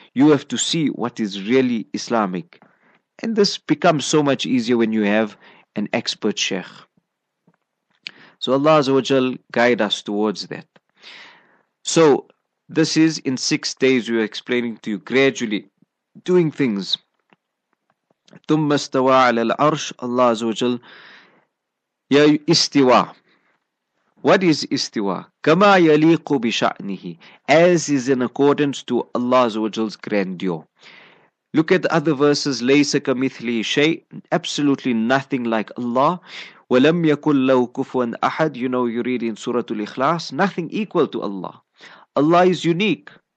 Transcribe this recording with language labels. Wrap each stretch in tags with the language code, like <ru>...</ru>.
<en>You have to see what is really Islamic. And this becomes so much easier when you have an expert sheikh. So Allah Azza wa Jal guide us towards that. So this is in 6 days we are explaining to you gradually doing things.</en> <ar>ثم استوى على العرش الله عز وجل يا استوى.</ar> <en>What is استوى؟</en> <ar>كما يليق بشأنه,</ar> <en>as is in accordance to Allah عز وجل's grandeur. Look at other verses.</en> <ar>ليس كمثله شيء,</ar> <en>absolutely nothing like Allah.</en> <ar>ولم يكن له كفوا أحد.</ar> <en>You know, you read in Surah Al-Ikhlas, nothing equal to Allah. Allah is unique.</en>